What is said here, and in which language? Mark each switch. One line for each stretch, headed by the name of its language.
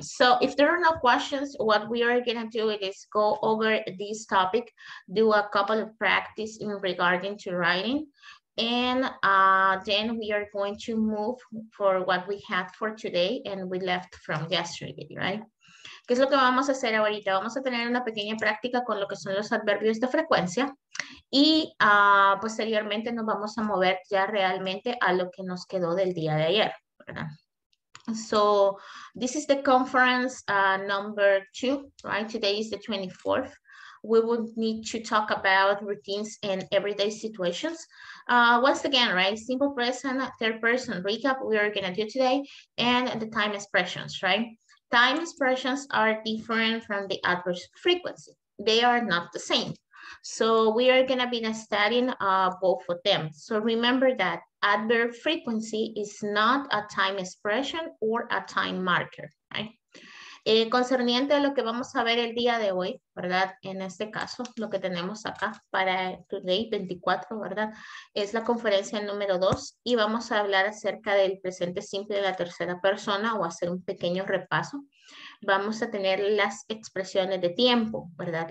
English: So if there are no questions, what we are gonna do is go over this topic, do a couple of practice in regarding to writing, and then we are going to move for what we had for today and we left from yesterday, right?
Spanish: ¿Qué es lo que vamos a hacer ahorita? Vamos a tener una pequeña práctica con lo que son los adverbios de frecuencia y posteriormente nos vamos a mover ya realmente a lo que nos quedó del día de ayer, ¿verdad?
English: So, this is the conference number 2, right? Today is the 24th. We would need to talk about routines and everyday situations. Once again, right? Simple present, third person recap we are going to do today, and the time expressions, right? Time expressions are different from the adverse frequency. They are not the same. So we are going to be studying both of them. So remember that adverb frequency is not a time expression or a time marker, right?
Spanish: Concerniente a lo que vamos a ver el día de hoy, ¿verdad? En este caso, lo que tenemos acá para today 24, ¿verdad? Es la conferencia número 2 y vamos a hablar acerca del presente simple de la tercera persona o hacer un pequeño repaso. Vamos a tener las expresiones de tiempo, ¿verdad?